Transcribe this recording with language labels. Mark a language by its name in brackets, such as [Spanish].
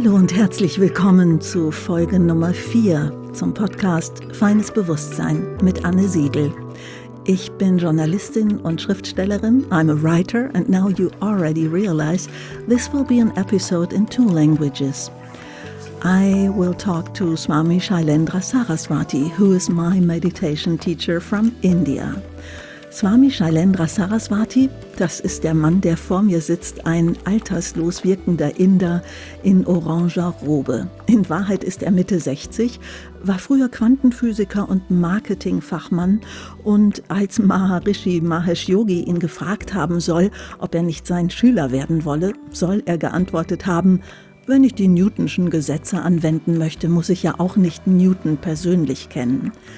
[German] Herzlich willkommen zu Folge Nummer 4 zum Podcast Feines Bewusstsein mit Anne Siegel. Ich bin Journalistin und Schriftstellerin. [English] I'm a writer and now you already realize this will be an episode in two languages. I will talk to Swami Shailendra Saraswati, who is my meditation teacher from India. [German] Swami Shailendra Saraswati, das ist der Mann, der vor mir sitzt, ein alterslos wirkender Inder in oranger Robe. In Wahrheit ist er Mitte 60, war früher Quantenphysiker und Marketingfachmann und als Maharishi Mahesh Yogi ihn gefragt haben soll, ob er nicht sein Schüler werden wolle, soll er geantwortet haben, wenn ich die Newtonschen Gesetze anwenden möchte, muss ich ja auch nicht Newton persönlich kennen.